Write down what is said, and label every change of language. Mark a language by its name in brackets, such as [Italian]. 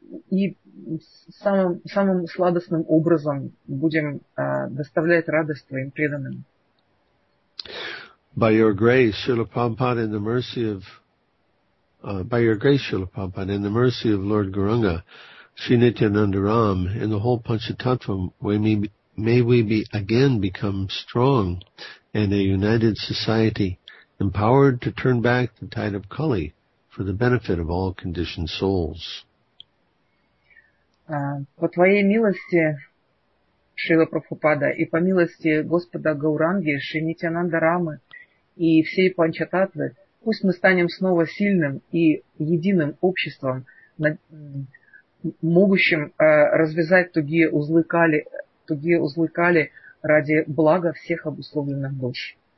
[Russian] И самым сладостным образом будем доставлять радость твоим преданным. [English] by your grace, Srila Prabhupada, in the mercy of, by your grace, Srila Prabhupada, in the mercy of Lord Gauranga, Sri Nityananda Ram, and the whole Panchatattva, may we be again become strong and a united society, empowered to turn back the tide of Kali for the benefit of all conditioned souls. [Russian] По Твоей милости, Шрила Прабхупада, и по милости Господа Гауранги, Шри Нитянанда Рамы и всей Панчататвы, пусть мы станем снова сильным и единым обществом, могущим развязать тугие узлы кали ради блага всех обусловленных душ.